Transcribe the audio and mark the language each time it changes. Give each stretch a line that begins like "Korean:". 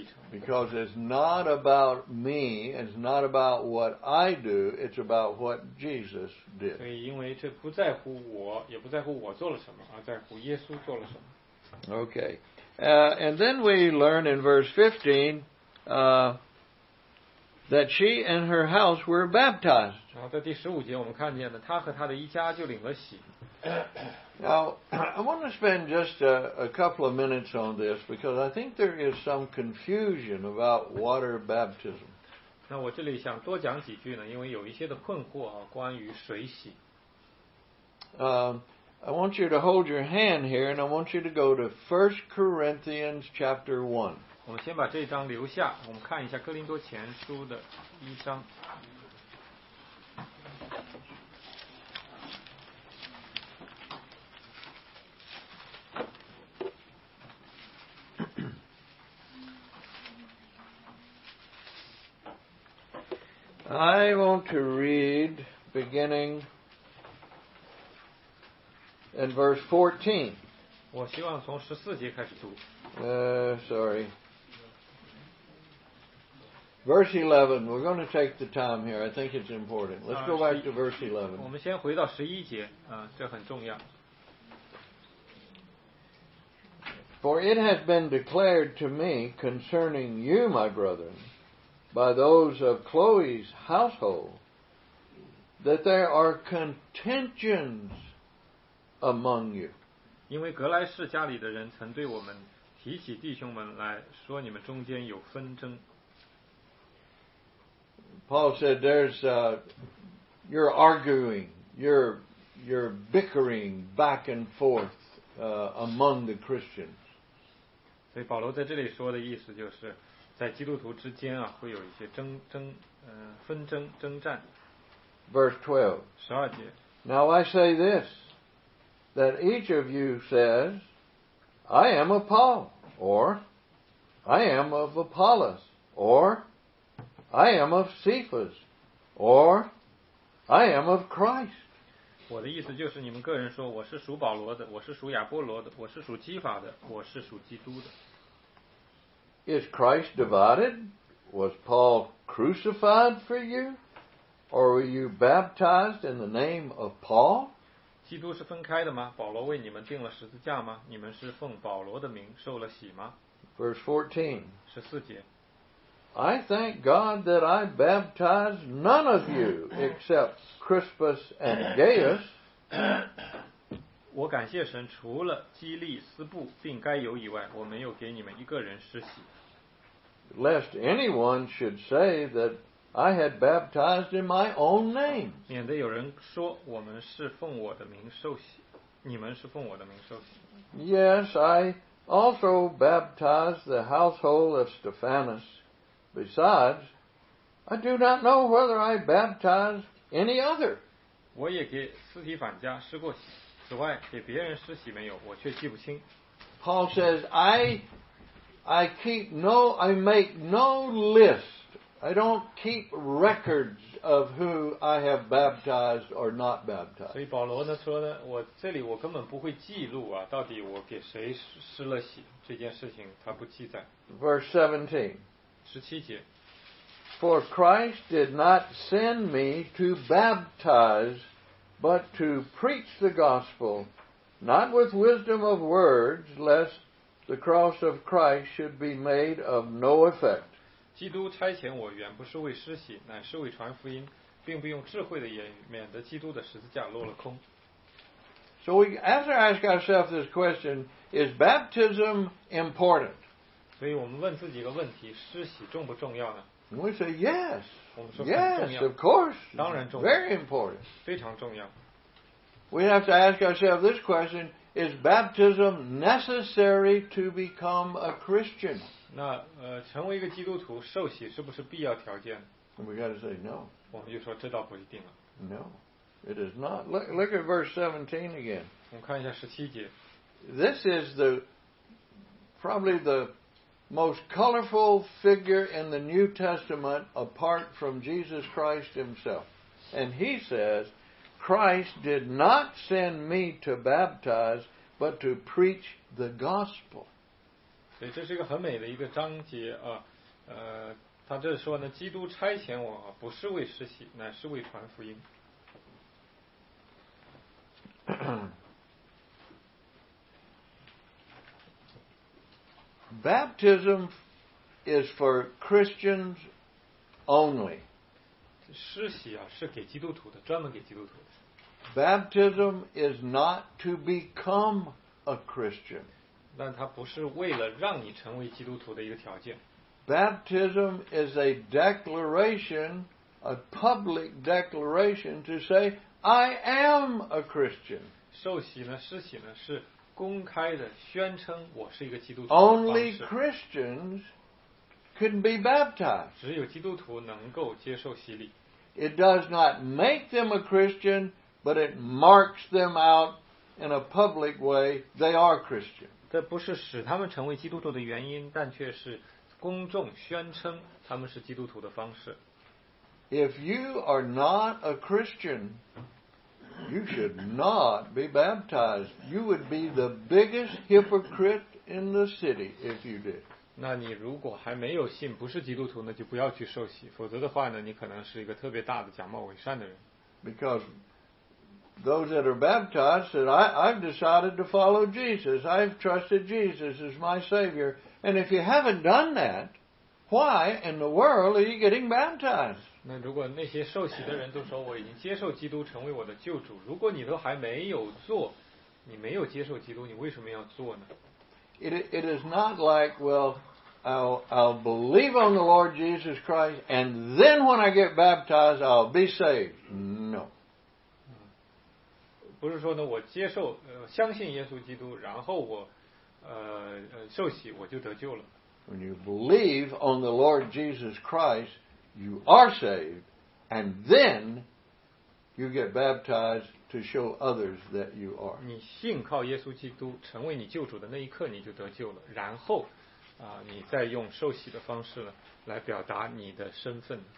English: Because it's not about me, it's not about what I do, it's about what Jesus did.
Chinese: 所以因为这不在乎我，也不在乎我做了什么，而在乎耶稣做了什么。
English: Okay, and then we learn in verse 15, that she and her house were baptized.
Chinese: 然后在第十五节我们看见呢，她和她的一家就领了洗。
English: Now, I want to spend just a couple of minutes on this because I think there is some confusion about water baptism.
Chinese: 那我这里想多讲几句呢，因为有一些的困惑啊，关于水洗。
English: I want you to hold your hand here and I want you to go to 1 Corinthians chapter 1.
Chinese: 我们先把这张留下，我们看一下哥林多前书的一章。
English: I want to read beginning and verse 14.
Chinese: 我希望从十四节开始读。
English: Sorry. Verse 11. We're going to take the time here. I think it's important. Let's go back to verse 11.
Chinese: 我们先回到十一节，这很重要。
English: For it has been declared to me concerning you, my brethren, by those of Chloe's household, that there are contentions among you.
Chinese: 因为格莱士家里的人曾对我们提起弟兄们来说你们中间有纷争。
English: Paul said there's you're arguing, you're bickering back and forth among the Christians.
Chinese: 所以保罗在这里说的意思就是在基督徒之间啊会有一些纷争争战。
English: Verse 12.
Chinese: 十二节。
English: Now I say this, that each of you says, I am of Paul, or I am of Apollos, or I am of Cephas, or I am of Christ.
Chinese: 我的意思就是你们个人说我是属保罗的我是属亚波罗的我是属基法的我是属基督的
English: Is Christ divided? Was Paul crucified for you? Or were you baptized in the name of Paul?
Chinese: 基督是分开的吗保罗为你们钉了十字架吗你们是奉保罗的名受了洗吗
English: Verse
Chinese: 14 14节
English: I thank God that I baptized none of you except Crispus and Gaius.
Chinese: 我感谢神，除了基利斯布并该犹以外，我没有给你们一个人施洗。
English: Lest anyone should say that I had baptized in my own name.
Chinese: 免得有人说我们是奉我的名受洗，你们是奉我的名受洗。
English: Yes, I also baptized the household of Stephanas. Besides, I do not know whether I baptized. Any other?
Chinese: 我也给斯提反家施过洗，此外给别人施洗没有，我却记不清。
English: Paul says, I make no list. I don't keep records of who I have baptized or not baptized.
Chinese: 所以保罗呢说呢，我这里我根本不会记录啊，到底我给谁施了洗这件事情，他不记载。
English: Verse 17.
Chinese: 十七节。
English: For Christ did not send me to baptize, but to preach the gospel, not with wisdom of words, lest the cross of Christ should be made of no effect.
Chinese: 基督差遣我原不是为施洗，乃是为传福音，并不用智慧的言语，免得基督的十字架落了空。
English: So we have to ask ourselves this question, is baptism important?
Chinese: 所以我们问自己一个问题，施洗重不重要呢？
English: And we say, yes, yes, of course,
Chinese: 当然重要
English: very important.
Chinese: 非常重要
English: We have to ask ourselves this question, is baptism necessary to become a Christian?
Chinese: 那成为一个基督徒受洗是不是必要条件
English: We got to say no.
Chinese: 我们就说这倒不一定了
English: No, it is not. Look at verse 17 again.
Chinese: 我们看一下十七节
English: This is probably the most colorful figure in the New Testament apart from Jesus Christ himself. And he says, Christ did not send me to baptize, but to preach the gospel.
Chinese: 对，这是一个很美的一个章节啊。他这说呢，基督差遣我不是为施洗，乃是为传福音。
English: Baptism is for Christians only.
Chinese: 施洗啊，是给基督徒的，专门给基督徒的。
English: Baptism is not to become a Christian.
Chinese: 但它不是为了让你成为基督徒的一个条件。
English: Baptism is a declaration, a public declaration to say, I am a Christian.
Chinese: 受洗呢，施洗呢，是公开的宣称我是一个基督徒。
English: Only Christians can be baptized.
Chinese: 只有基督徒能够接受洗礼。
English: It does not make them a Christian, but it marks them out in a public way. They are Christian.
Chinese: 这不是使他们成为基督徒的原因，但却是公众宣称他们是基督徒的方式。
English: If you are not a Christian, you should not be baptized. You would be the biggest hypocrite in the city if you did.
Chinese: 那你如果还没有信，不是基督徒，那就不要去受洗。否则的话呢，你可能是一个特别大的假冒伪善的人。
English: Because those that are baptized said, I've decided to follow Jesus. I've trusted Jesus as my Savior. And if you haven't done that, why in the world are you getting baptized?
Chinese: 那如果那些受洗的人都说我已经接受基督成为我的救主，如果你都还没有做，你没有接受基督，你为什么要做呢？
English: It is not like, well, I'll believe on the Lord Jesus Christ, and then when I get baptized, I'll be saved. No.
Chinese: 不是说呢，我接受，相信耶稣基督，然后我，受洗，我就得救了。
English: When you believe on the Lord Jesus Christ, you are saved, and then you get baptized. To show others that you are.
Chinese: 你信靠耶稣基督成为你救主的那一刻你就得救了，然后你再用受洗的方式来表达你的身份。